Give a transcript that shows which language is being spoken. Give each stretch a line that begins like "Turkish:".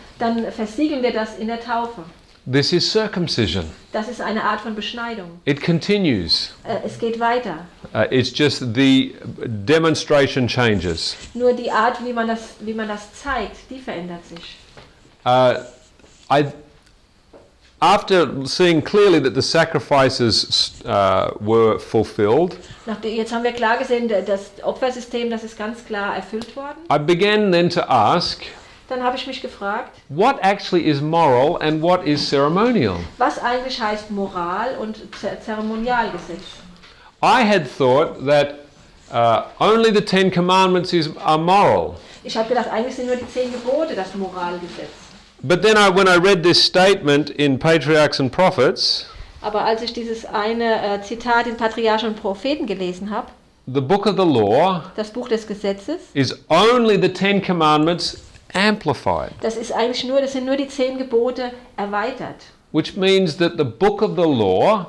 German: Dann versiegeln wir das in der Taufe.
English: This is circumcision.
German: Das ist eine Art von Beschneidung.
English: It continues.
German: Es geht weiter.
English: It's just the demonstration changes.
German: Nur die Art, wie man das zeigt, die verändert sich.
English: After seeing clearly that the sacrifices were fulfilled,
German: jetzt haben wir klar gesehen, das Opfersystem, das ist ganz klar erfüllt worden.
English: I began then to ask,
German: dann habe ich mich gefragt,
English: what actually is moral and what is ceremonial?
German: Was eigentlich heißt Moral und Zeremonialgesetz?
English: I had thought that only the Ten Commandments are moral.
German: Ich habe gedacht, eigentlich sind nur die Zehn Gebote das Moralgesetz.
English: But then when I read this statement in Patriarchs and Prophets,
German: aber als ich dieses eine Zitat in Patriarchen und Propheten gelesen habe,
English: the book of the law,
German: das Buch des Gesetzes,
English: is only the Ten Commandments amplified.
German: Das ist eigentlich nur, das sind nur die Zehn Gebote erweitert.
English: Which means that the book of the law,